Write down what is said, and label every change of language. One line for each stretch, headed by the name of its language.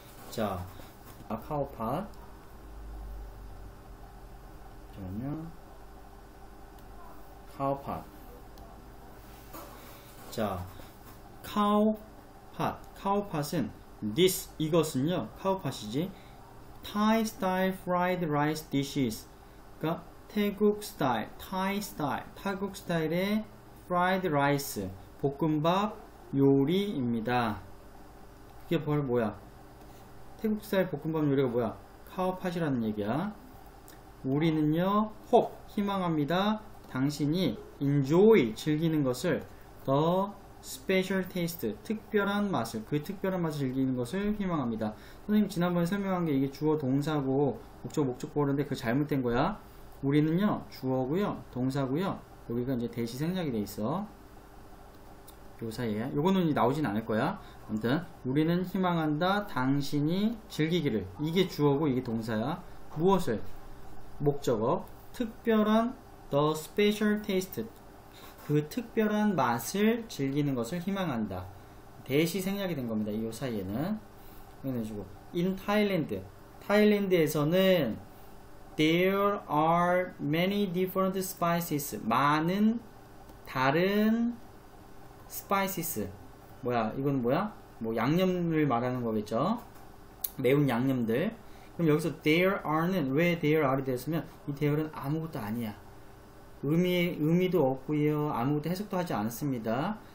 Korean: 자, 카우팟. 잠시만요. 카우팟. 자, 카우팟. 카우팟은 this 이것은요. 카우팟이지.
English: Thai style fried rice dishes.
Korean: 그러니까 태국 스타일, Thai style. 태국 스타일의 fried rice. 볶음밥 요리입니다. 그게 바로 뭐야? 태국 스타일 볶음밥 요리가 뭐야? 카우팟이라는 얘기야. 우리는요, hope, 희망합니다. 당신이 enjoy, 즐기는 것을 더 스페셜 테이스트, 특별한 맛을, 그 특별한 맛을 즐기는 것을 희망합니다. 선생님, 지난번에 설명한 게 이게 주어 동사고, 목적보호인데 그 잘못된 거야. 우리는요, 주어고요, 동사고요, 여기가 이제 대시 생략이 돼 있어. 요 사이에, 요거는 이제 나오진 않을 거야. 아무튼, 우리는 희망한다, 당신이 즐기기를. 이게 주어고, 이게 동사야. 무엇을? 목적어. 특별한,
English: the special taste.
Korean: 그 특별한 맛을 즐기는 것을 희망한다. 대시 생략이 된 겁니다. 이 사이에는. 해주고.
English: In Thailand.
Korean: 타일랜드에서는
English: there are many different spices.
Korean: 많은 다른 spices. 뭐야? 이건 뭐야? 뭐 양념을 말하는 거겠죠? 매운 양념들. 그럼 여기서 there are는 왜 there are이 되었으면 이 there은 아무것도 아니야. 의미도 없고요. 아무것도 해석도 하지 않습니다.